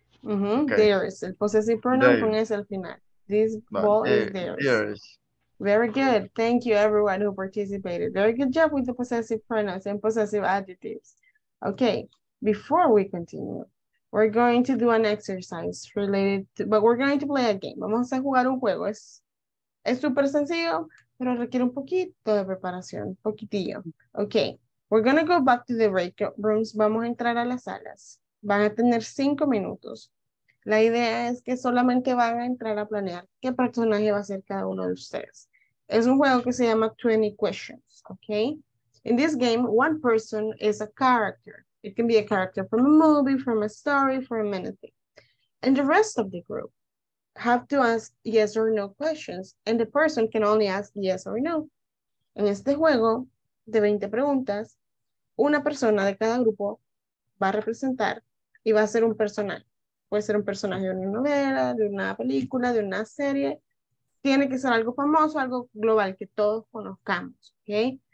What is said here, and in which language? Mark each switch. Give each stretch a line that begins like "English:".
English: Mm-hmm. Okay. Theirs.
Spanish: El possessive pronoun con S al final.
English: This ball is theirs. Very good. Thank you, everyone who participated. Very good job with the possessive pronouns and possessive adjectives. Okay. Before we continue, we're going to do an exercise related to, but we're going to play a game.
Spanish: Vamos a jugar un juego. Es super sencillo, pero requiere un poquito de preparación, poquitillo.
English: Okay, we're gonna go back to the breakout rooms.
Spanish: Vamos a entrar a las salas. Van a tener 5 minutos. La idea es que solamente van a entrar a planear qué personaje va a ser cada uno de ustedes. Es un juego que se llama 20 questions, okay?
English: In this game, one person is a character. It can be a character from a movie, from a story, from anything. And the rest of the group have to ask yes or no questions, and the person can only ask yes or no.
Spanish: En este juego de 20 preguntas, una persona de cada grupo va a representar y va a ser un personaje. Puede ser un personaje de una novela, de una película, de una serie. Tiene que ser algo famoso, algo global que todos conozcamos, ¿okay?